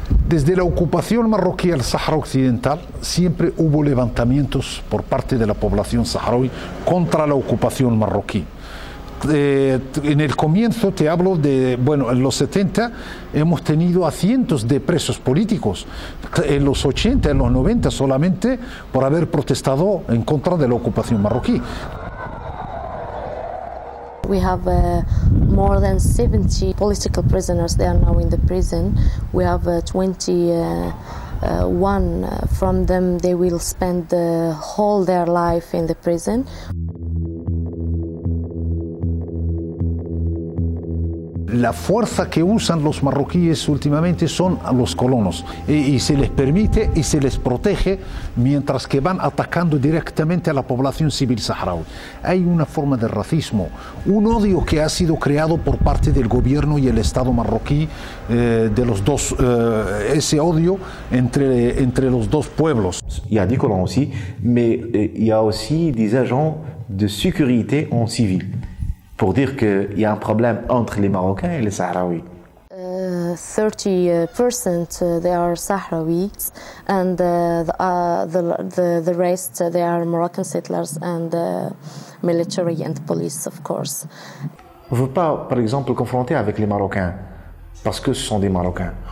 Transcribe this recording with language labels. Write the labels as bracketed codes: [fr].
[es] Desde la ocupación marroquí al Sahara Occidental, siempre hubo levantamientos por parte de la población saharaui contra la ocupación marroquí. En el comienzo te hablo de, bueno, en los 70 hemos tenido a cientos de presos políticos, en los 80, en los 90 solamente por haber protestado en contra de la ocupación marroquí. [en] We have more than 70 political prisoners, they are now in the prison. We have 20 one from them, they will spend the whole their life in the prison. [es] La fuerza que usan los marroquíes últimamente son a los colonos y se les permite y se les protege mientras que van atacando directamente a la población civil saharaui. Hay una forma de racismo, un odio que ha sido creado por parte del gobierno y el Estado marroquí, de los dos, ese odio entre los dos pueblos. [fr] Ya di colon aussi, mais il y a aussi des agents de sécurité en civil. Pour dire qu'il y a un problème entre les Marocains et les Sahraouis. [en] 30% they are Sahraouis and the rest they are Moroccan settlers and military and police of course. [fr] On ne veut pas par exemple confronter avec les Marocains parce que ce sont des Marocains.